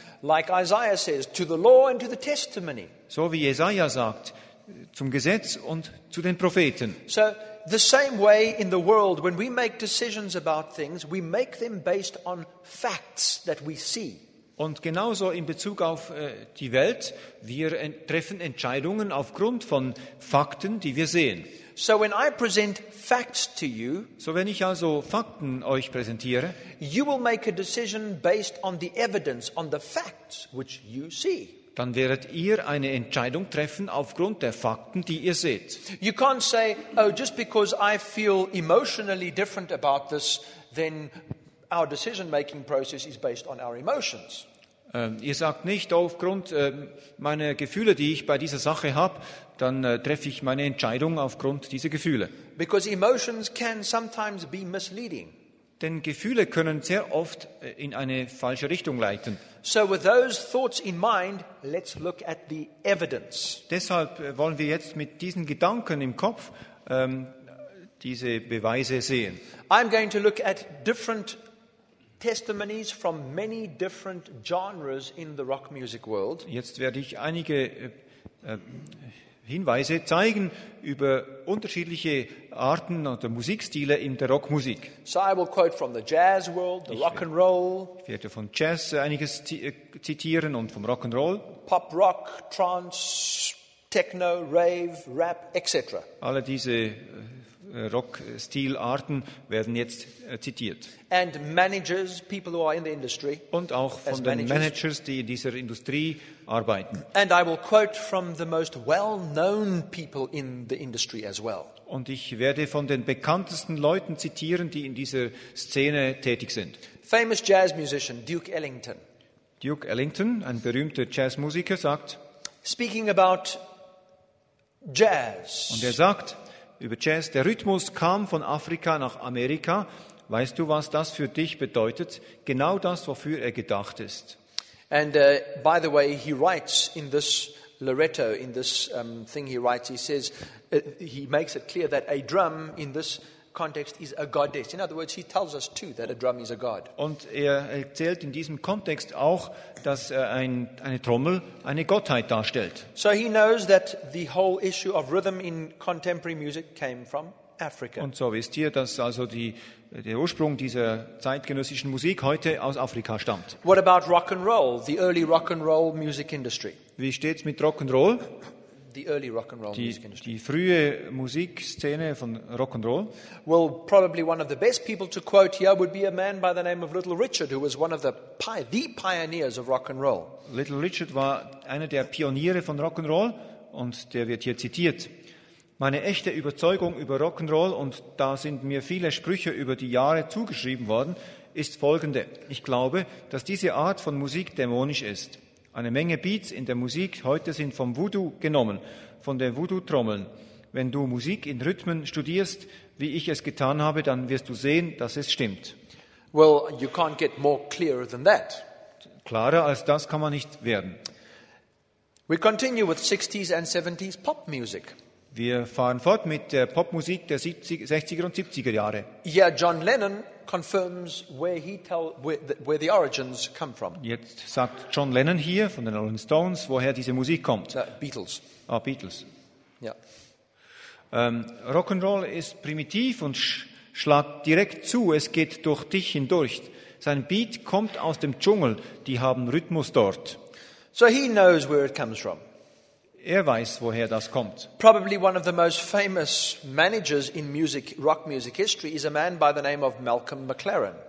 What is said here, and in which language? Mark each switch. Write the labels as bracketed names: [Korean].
[English] Like Isaiah says, to the law and to the testimony. [German] So wie Jesaja sagt, zum Gesetz und zu den Propheten. [English] So the same way in the world, when we make decisions about things, we make them based on facts that we see. [German] Und genauso in Bezug auf die Welt, wir treffen Entscheidungen aufgrund von Fakten, die wir sehen. [English] So when I present facts to you, [German] so wenn ich also Fakten euch präsentiere, [English] you will make a decision based on the evidence, on the facts which you see. [German] Dann werdet ihr eine Entscheidung treffen aufgrund der Fakten, die ihr seht. [English] You can't say, oh, just because I feel emotionally different about this, then our decision-making process is based on our emotions. [German] Ihr sagt nicht, aufgrund meiner Gefühle, die ich bei dieser Sache habe, dann treffe ich meine Entscheidung aufgrund dieser Gefühle. [English] Because emotions can sometimes be misleading. [German] Denn Gefühle können sehr oft in eine falsche Richtung leiten. [English] So with those thoughts in mind, let's look at the evidence. [German] Deshalb wollen wir jetzt mit diesen Gedanken im Kopf diese Beweise sehen. [English] I'm going to look at different testimonies from many different genres in the rock music world. [German] Jetzt werde ich einige Hinweise zeigen über unterschiedliche Arten oder Musikstile in der Rockmusik. [English] So I will quote from the jazz world, the rock and roll. [German] Ich werde von Jazz einiges zitieren und vom Rock and Roll. [English] Pop Rock, Trance, Techno, Rave, Rap, etc. [German] Alle diese Rockstilarten werden jetzt zitiert. [English] And managers, people who are in the industry. [German] Und auch von den Managers, die in dieser Industrie arbeiten. [English] And I will quote from the most well-known people in the industry as well. [German] Und ich werde von den bekanntesten Leuten zitieren, die in dieser Szene tätig sind. [English] Famous jazz musician Duke Ellington. [German] Duke Ellington, ein berühmter Jazzmusiker, sagt, [English] speaking about jazz. [German] Und er sagt über Jazz: Der Rhythmus kam von Afrika nach Amerika. Weißt du, was das für dich bedeutet? Genau das, wofür er gedacht ist. [English] And by the way, he writes in this Loretto, in this thing he writes, he says, he makes it clear that a drum in this context is a goddess. In other words, he tells us too that a drum is a god. [German] Und er erzählt in diesem Kontext auch, dass eine Trommel eine Gottheit darstellt. [English] So he knows that the whole issue of rhythm in contemporary music came from Africa. [German] Und so wisst ihr, dass also der Ursprung dieser zeitgenössischen Musik heute aus Afrika stammt. [English] What about rock and roll, the early rock and roll music industry? [German] Wie steht's mit Rock and Roll? [English] The early rock and roll music industry. [German] Die frühe Musikszene von Rock and Roll. [English] Well, probably one of the best people to quote here would be a man by the name of Little Richard, who was one of the pioneers of rock and roll. [German] Little Richard war einer der Pioniere von Rock and Roll, und der wird hier zitiert. Meine echte Überzeugung über Rock and Roll, und da sind mir viele Sprüche über die Jahre zugeschrieben worden, ist folgende: Ich glaube, dass diese Art von Musik dämonisch ist. Eine Menge Beats in der Musik heute sind vom Voodoo genommen, von den Voodoo-Trommeln. Wenn du Musik in Rhythmen studierst, wie ich es getan habe, dann wirst du sehen, dass es stimmt. [English] Well, you can't get more clearer than that. [German] Klarer als das kann man nicht werden. [English] We continue with 60s and 70s pop music. [German] Wir fahren fort mit der Popmusik der 60er und 70er Jahre. [English] Yeah, John Lennon confirms where the origins come from. [German] Jetzt sagt John Lennon hier von den Rolling Stones, woher diese Musik kommt. [English] Beatles. [German] Ah, Beatles. Ja. Rock'n'Roll ist primitiv und schlägt direkt zu. Es geht durch dich hindurch. Sein Beat kommt aus dem Dschungel. Die haben Rhythmus dort. [English] So he knows where it comes from. [German] Er weiß, woher das kommt. [English] Probably one of the most famous managers in music, rock music history, is a man by the name of Malcolm McLaren.